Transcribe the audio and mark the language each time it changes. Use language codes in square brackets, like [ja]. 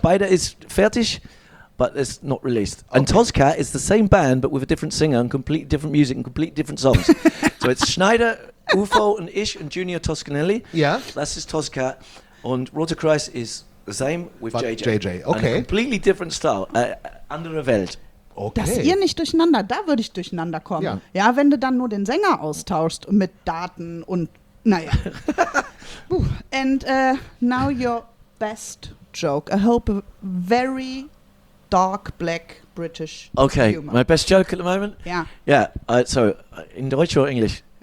[de] Beide is fertig, [en] but it's not released. Okay. And Tozcat is the same band, but with a different singer and completely different music and completely different songs. So it's Schneider, Ufo and Ish and Junior Toscanelli. Yeah. That's his Tozcat. And Rotor Christ is the same with JJ. JJ, okay. And a completely different style. [de] Andere Welt. [en] Okay. [de] Dass ihr nicht durcheinander, da würde ich durcheinander kommen. Ja. Ja, wenn du dann nur den Sänger austauschst mit Daten und naja. [en] And now your best joke. I hope a very dark black British okay. humor. Okay, my best joke at the moment? So in Deutsch or English?